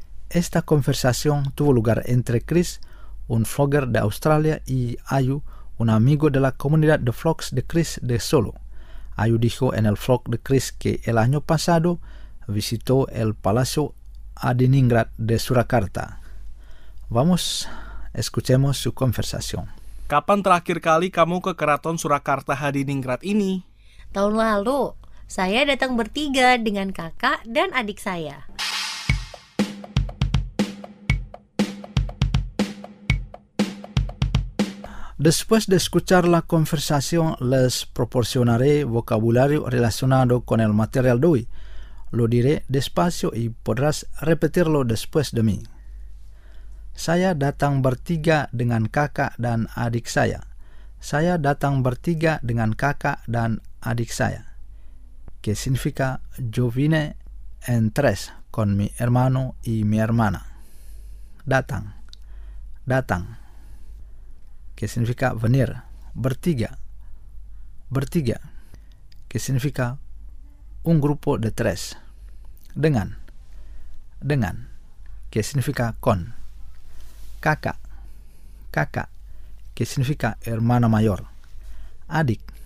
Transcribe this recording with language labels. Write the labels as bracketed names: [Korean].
[Spanish] Esta conversación tuvo lugar entre Chris, un vlogger de Australia, y Ayu, un amigo de la comunidad de vlogs de Chris de Solo. Ayu dijo en el vlog de Chris que el año pasado visitó el Palacio Adiningrat de Surakarta. Vamos, escuchemos su conversación. [Indonesian] Kapan terakhir kali kamu ke Keraton Surakarta Adiningrat ini? Tahun lalu, saya datang bertiga dengan kakak dan adik saya. [Spanish] Después de escuchar la conversación, les proporcionaré vocabulario relacionado con el material de hoy. Lo diré despacio y podrás repetirlo después de mí. [Indonesian] Saya datang bertiga dengan kakak dan adik saya. Saya datang bertiga dengan kakak dan adik saya. [Spanish] Que significa yo vine en tres con mi hermano y mi hermana. Datang. Datang. Que significa venir, bertiga, bertiga, que significa un grupo de tres, dengan, dengan, que significa con, kakak, kakak, que significa hermana mayor, adik,